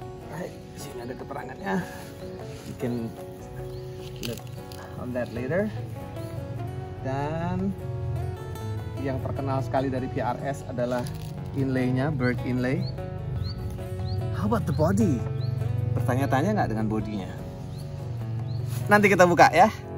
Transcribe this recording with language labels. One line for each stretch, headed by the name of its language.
Indonesian: Right, di sini ada keterangannya.
English: You can look on that later.
Indonesian: Dan yang terkenal sekali dari PRS adalah inlay-nya, bird inlay.
English: How about the body?
Indonesian: Bertanya-tanya nggak dengan bodinya? Nanti kita buka ya.